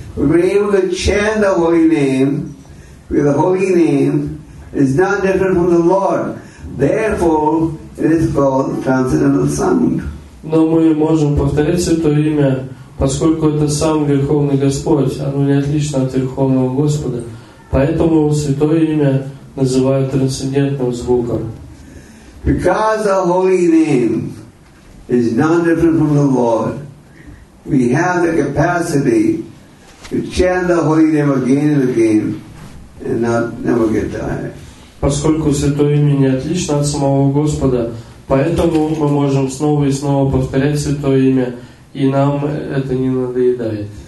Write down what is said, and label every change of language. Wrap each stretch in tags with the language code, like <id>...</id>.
<en>We're able to chant the holy name with the holy name. It's not different from the Lord. Therefore, it is called transcendental sound.</en> <ru>Но мы можем повторять святое имя, поскольку это сам Верховный Господь, оно не отлично от Верховного Господа. Поэтому святое имя называют трансцендентным звуком.</ru> <en>Because the holy name is not different from the Lord, we have the capacity to chant the holy name again and again and not never get tired.</en> <ru>Поскольку святое имя не отлично от самого Господа, поэтому мы можем снова и снова повторять святое имя, и нам это не надоедает.</ru>